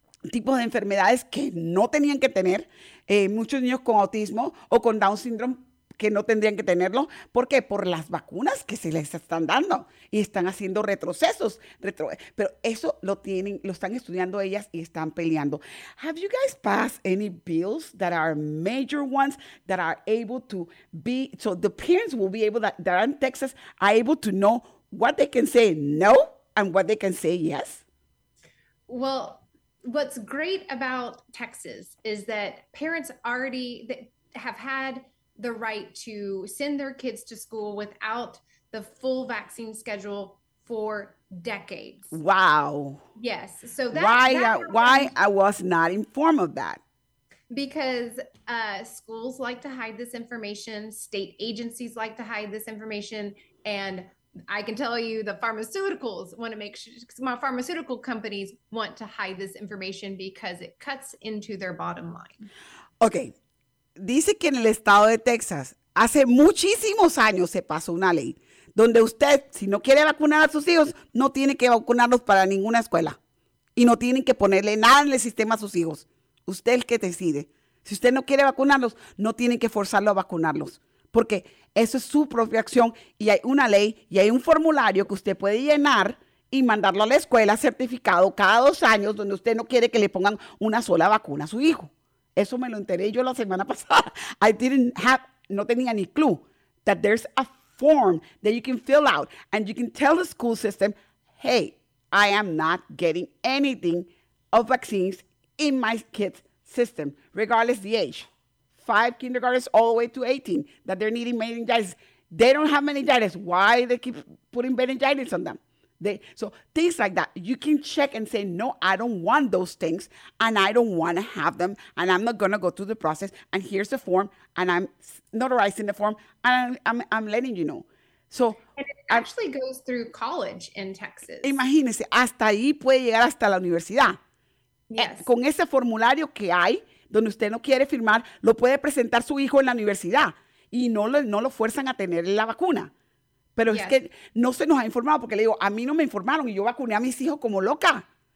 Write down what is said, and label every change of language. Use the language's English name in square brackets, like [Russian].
[Spanish] tipos de enfermedades que no tenían que tener, muchos niños con autismo o con Down syndrome que no tendrían que tenerlo. ¿Por qué? Por las vacunas que se les están dando y están haciendo retrocesos. Pero eso lo tienen, lo están estudiando ellas y están peleando. [English] Have you guys passed any bills that are major ones that are able to be, so the parents will be able, that are in Texas, are able to know what they can say no and what they can say yes? Well, what's great about Texas is that parents already have had the right to send their kids to school without the full vaccine schedule for decades. Wow. Yes. So that, why I was not informed of that? Because schools like to hide this information. State agencies like to hide this information. And I can tell you the pharmaceuticals want to make sure, my pharmaceutical companies want to hide this information because it cuts into their bottom line. Okay. [Spanish] Dice que en el estado de Texas, hace muchísimos años se pasó una ley donde usted, si no quiere vacunar a sus hijos, no tiene que vacunarlos para ninguna escuela y no tienen que ponerle nada en el sistema a sus hijos. Usted es el que decide. Si usted no quiere vacunarlos, no tiene que forzarlo a vacunarlos. Porque eso es su propia acción y hay una ley y hay un formulario que usted puede llenar y mandarlo a la escuela certificado cada dos años donde usted no quiere que le pongan una sola vacuna a su hijo. Eso me lo enteré yo la semana pasada. No tenía ni [English] clue that there's a form that you can fill out and you can tell the school system, hey, I am not getting anything of vaccines in my kid's system, regardless the age. 5 kindergartners all the way to 18 that they're needing meningitis. They don't have meningitis. Why they keep putting meningitis on them? So things like that, you can check and say, no, I don't want those things and I don't want to have them and I'm not going to go through the process and here's the form and I'm notarizing the form and I'm letting you know. So and it actually goes through college in Texas. [Spanish] Imagínese, hasta ahí puede llegar hasta la universidad. [English] Yes. [Spanish] Con ese formulario que hay, donde usted no quiere firmar, lo puede presentar su hijo en la universidad y no lo fuerzan a tener la vacuna. Pero yes, es que no se nos ha informado, porque le digo, a mí no me informaron y yo vacuné a mis hijos como loca.